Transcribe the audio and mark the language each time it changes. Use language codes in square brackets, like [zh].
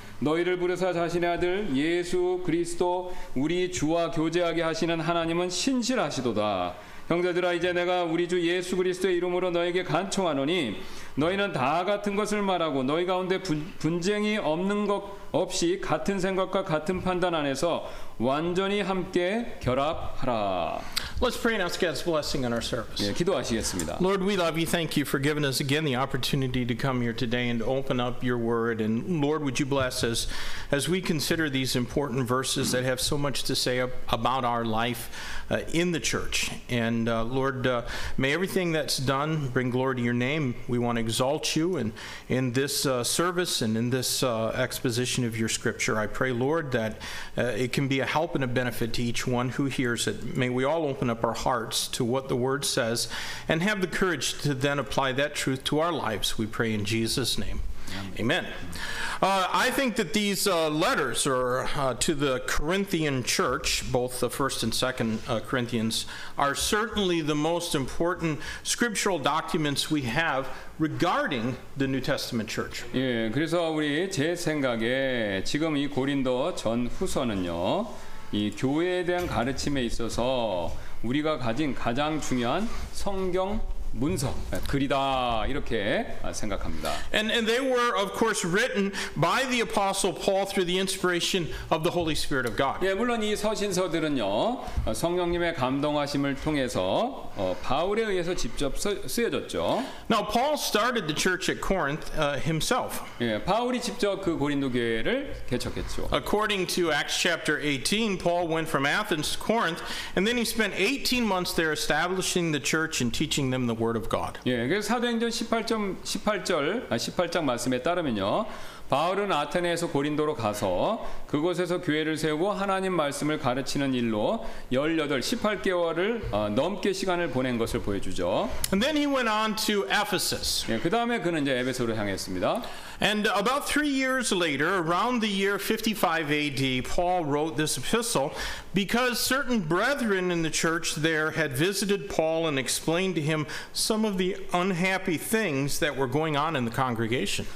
[ko] 너희를 부르사 자신의 아들 예수 그리스도 우리 주와 교제하게 하시는 하나님은 신실하시도다. 형제들아 이제 내가 우리 주 예수 그리스도의 이름으로 너에게 간청하노니 너희는 다 같은 것을 말하고 너희 가운데 분쟁이 없는 것 없이 같은 생각과 같은 판단 안에서 완전히 함께 결합하라. [en] Let's pray and ask God's blessing on our service. [ko] 예, 기도하시겠습니다. [en] Lord, we love you. Thank you for giving us again the opportunity to come here today and open up your word. And Lord, would you bless us as we consider these important verses that have so much to say about our life in the church. And Lord, may everything that's done bring glory to your name. We want to exalt you and in this service and in this exposition of your scripture. I pray, Lord, that it can be a help and a benefit to each one who hears it. May we all open up our hearts to what the word says and have the courage to then apply that truth to our lives. We pray in Jesus' name. Amen. I think that these letters are to the Corinthian church, both the first and second Corinthians, are certainly the most important scriptural documents we have regarding the New Testament church. [ko] 예, 그래서 우리 제 생각에 지금 이 고린도 전후서는요, 이 교회에 대한 가르침에 있어서 우리가 가진 가장 중요한 성경 문서, 글이다, 이렇게 생각합니다. [en] And they were, of course, written by the Apostle Paul through the inspiration of the Holy Spirit of God. [ko] 예, 물론 이 서신서들은요, 성령님의 감동하심을 통해서 바울에 의해서 직접 쓰여졌죠. [en] Now, Paul started the church at Corinth himself. [ko] 예, 바울이 직접 그 고린도 교회를 개척했죠. [en] According to Acts chapter 18, Paul went from Athens to Corinth, and then he spent 18 months there establishing the church and teaching them the word of God. [ko] 예, 그래서 사도행전 18장 말씀에 따르면요. 바울은 아테네에서 고린도로 가서 그곳에서 교회를 세우고 하나님 말씀을 가르치는 일로 18개월을 넘게 시간을 보낸 것을 보여주죠. [en] And then he went on to Ephesus. [ko] 예, 그다음에 그는 이제 에베소로 향했습니다. [en] And about 3 years later, around the year 55 AD, Paul wrote this epistle because certain brethren in the church there had visited Paul and explained to him some of the unhappy things that were going on in the congregation.